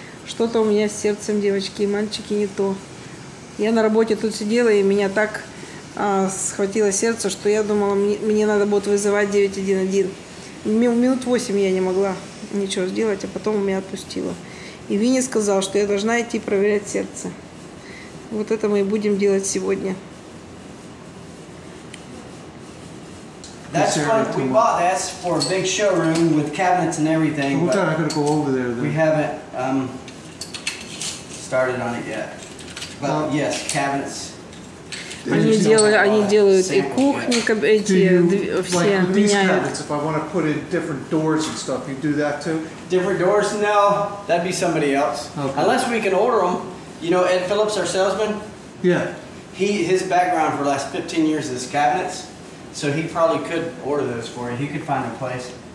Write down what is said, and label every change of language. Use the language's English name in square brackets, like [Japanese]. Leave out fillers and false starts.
[Russian] Что-то у меня с сердцем, девочки и мальчики, не то. Я на работе тут сидела, и меня так схватило сердце, что я думала, мне надо будет вызывать 911. Минут 8 я не могла ничего сделать, а потом меня отпустило. И Винни сказал, что я должна идти проверять сердце. Вот это мы и будем делать сегодня. [English] That's front we bought. That's for a big showroom with cabinets and everything. So we're not gonna go over there then. We haven't started on it yet. But yes, cabinets. [Russian] Они делают и кухни, эти все меняют. [English] If I want to put in different doors and stuff, you do that too? Different doors? No, that'd be somebody else. Okay. Unless we can order them. You know, Ed Phillips, our salesman? Yeah. His background for the last 15 years is cabinets, so he probably could order those for you. He could find a place.